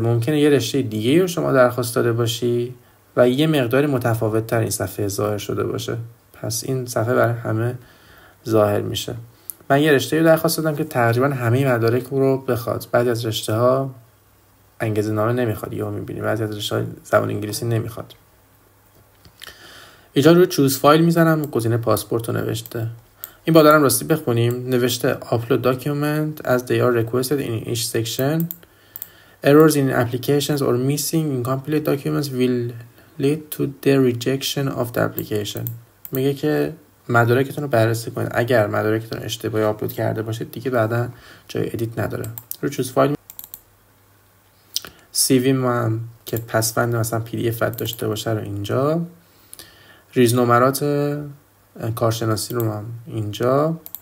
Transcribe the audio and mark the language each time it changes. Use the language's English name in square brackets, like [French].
[Persian] ممکنه یه رشته دیگه رو شما درخواست داده باشی و یه مقدار متفاوت تر این صفحه ظاهر شده باشه، پس این صفحه برای همه ظاهر میشه. من یه رشته رو درخواست دادم که تقریبا همه مدارک رو بخواد. بعضی از رشته ها انگیزه نامه نمیخواد، یهو میبینیم بعضی از رشته ها زبان انگلیسی نمیخواد. اینجا رو چوز فایل میزنم، گزینه پاسپورت رو نوشته. این بادارم هم راستی بخونیم، نوشته [English] upload document as they are requested in each section Errors in applications or missing incomplete documents will lead to the rejection of the application. [Persian] میگه که مدارکتون رو بررسی کنید. اگر مدارکتون اشتباهی آپلود کرده باشید دیگه بعدا جای ادیت نداره. رو چوز فایل CV ما هم که پسوند مثلا PDF داشته باشه رو اینجا. ریزنمرات کارشناسی رو هم اینجا.